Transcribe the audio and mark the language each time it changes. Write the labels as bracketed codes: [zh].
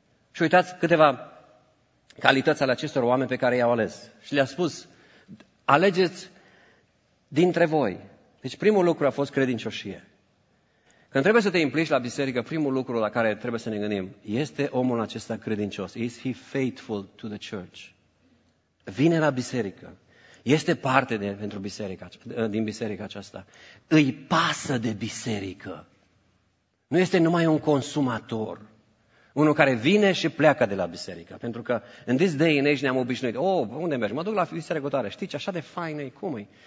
[ro] Și uitați câteva calități ale acestor oameni pe care i-au ales. Și le-a spus, alegeți dintre voi Deci primul lucru a fost credincioșie. Când trebuie să te implici la biserică, primul lucru la care trebuie să ne gândim, este omul acesta credincios? [en] Is he faithful to the church? [ro] Vine la biserică. Este parte de, pentru biserica, din biserica aceasta. Îi pasă de biserică. Nu este numai un consumator. Unul care vine și pleacă de la biserică. Pentru că în [en] this day and age [ro] ne-am obișnuit. Oh, unde mergi? Mă duc la biserică tare. Știi ce? Așa de faină e. Cum e?